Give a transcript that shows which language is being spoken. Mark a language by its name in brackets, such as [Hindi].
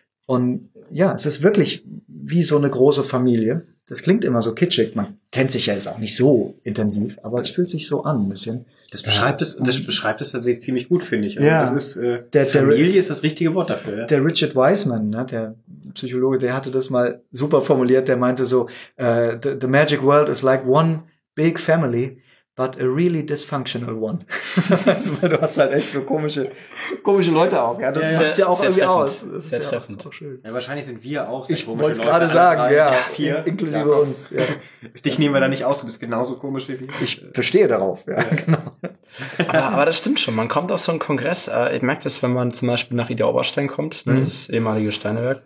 [German] Und ja, es ist wirklich wie so eine große Familie. Das klingt immer so kitschig. Man kennt sich ja jetzt auch nicht so intensiv, aber es fühlt sich so an ein bisschen. Das beschreibt es tatsächlich ziemlich gut, finde ich. Also ja, das ist, Familie ist das richtige Wort dafür. Der Richard Wiseman, ne, der Psychologe, der hatte das mal super formuliert. Der meinte so, [English] the magic world is like one big family, but a really dysfunctional one. [German] Also, weil du hast halt echt so komische Leute auch. Ja, das macht's ja auch irgendwie aus. Das sehr ist treffend. Ja auch schön. Ja, wahrscheinlich sind wir auch sehr ich komische Leute. Ich wollte es gerade sagen, inklusive uns. Ja. Dich nehmen wir da nicht aus, du bist genauso komisch wie wir. Ich verstehe darauf, ja, genau. Aber das stimmt schon, man kommt auf so einen Kongress. Ich merke das, wenn man zum Beispiel nach Idar-Oberstein kommt, das ehemalige Steinewerk.